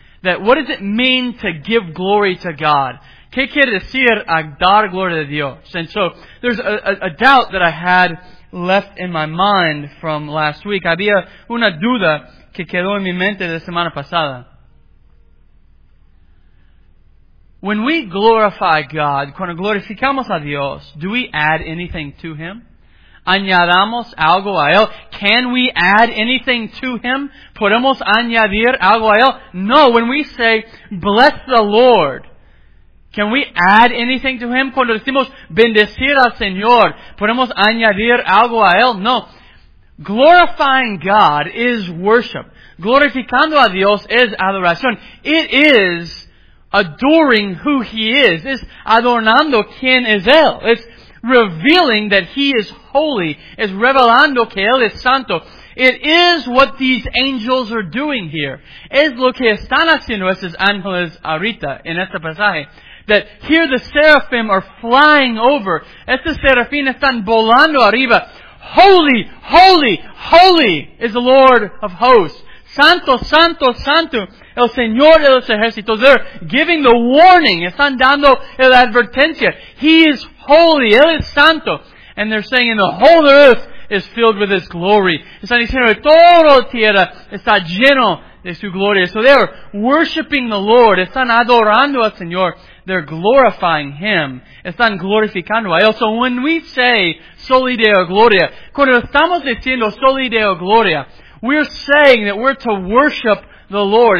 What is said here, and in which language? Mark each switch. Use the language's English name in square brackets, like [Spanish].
[English] That what does it mean to give glory to God? [Spanish] ¿Qué quiere decir a dar gloria a Dios? [English] And so, there's a doubt that I had left in my mind from last week. [Spanish] Había una duda que quedó en mi mente de semana pasada. [English] When we glorify God, [Spanish] cuando glorificamos a Dios, [English] do we add anything to Him? [Spanish] ¿Añadamos algo a Él? [English] Can we add anything to Him? [Spanish] ¿Podemos añadir algo a Él? [English] No, when we say, bless the Lord, can we add anything to Him? [Spanish] Cuando decimos, bendecir al Señor, ¿podemos añadir algo a Él? [English] No. Glorifying God is worship. [Spanish] Glorificando a Dios es adoración. [English] It is adoring who He is. It's [Spanish] adornando quien es Él. [English] It's revealing that He is holy. [Spanish] It's revelando que Él es santo. [English] It is what these angels are doing here. [Spanish] Es lo que están haciendo esos ángeles ahorita en este pasaje. [English] That here the seraphim are flying over. [Spanish] Estos serafines están volando arriba. [English] Holy, holy, holy is the Lord of hosts. [Spanish] Santo, santo, santo, el Señor de los ejércitos. [English] They're giving the warning. [Spanish] Están dando la advertencia. [English] He is holy. [Spanish] Él es santo. [English] And they're saying, and the whole earth is filled with His glory. [Spanish] Están diciendo, toda tierra está lleno de su gloria. [English] So they're worshiping the Lord. [Spanish] Están adorando al Señor. [English] They're glorifying Him. [Spanish] Están glorificando a Él. [English] So when we say, soli deo gloria, [Spanish] cuando estamos diciendo, [English] soli deo gloria, we're saying that we're to worship the Lord.